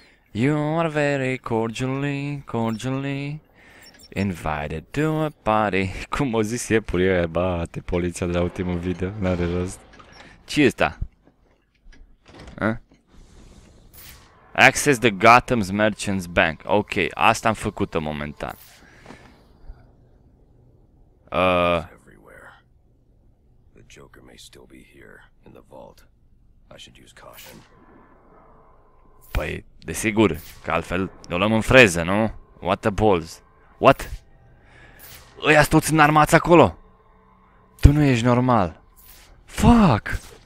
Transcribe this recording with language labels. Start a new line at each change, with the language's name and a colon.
English: You are very cordially invited to a party.
Romanian: Cum o zis iepuri ăia, bate poliția de la ultimul video, n-are rost. Ce-i ăsta?
English: Access the Gotham's Merchants Bank.
Romanian: Ok, asta am făcut-o momentan.
English: Everywhere. The Joker may still be here in the vault. I should use caution.
Romanian: Păi, desigur, că altfel ne luăm în freză, nu?
English: What the balls? What?
Romanian: Ăia-s toți înarmați acolo! Tu nu ești normal! Fuck!